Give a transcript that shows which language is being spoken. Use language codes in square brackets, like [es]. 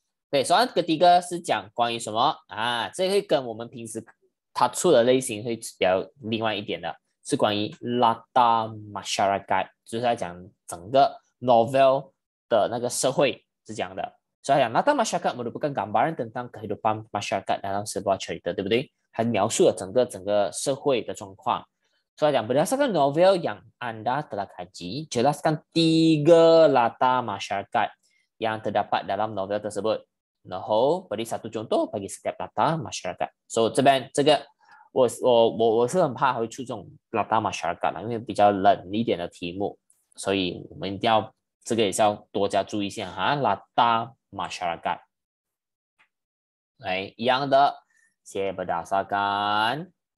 [ms] Ok, soalan ketiga adalah [zh] 讲关于什么啊？这会跟我们平时他出的类型会比较另外一点的，是关于 Lata Masyarakat， 就是在讲整个 novel 的那个社会是这样的。所以讲 [ms] Lata Masyarakat merupakan gambaran tentang kehidupan masyarakat dalam sebuah cerita， [zh] 对不对？它描述了整个社会的状况。所以讲 [ms] berdasarkan novel yang anda telah kaji, jelaskan tiga latar masyarakat yang terdapat dalam novel tersebut. Noho, beri satu contoh bagi setiap latar masyarakat. [zh] So, 这边这个我是很怕会出这种 latar masyarakat 啦，因为比较冷一点的题目，所以我们一定要这个也是要多加注意一下哈。 latar masyarakat， 来一样的，写berdasarkan。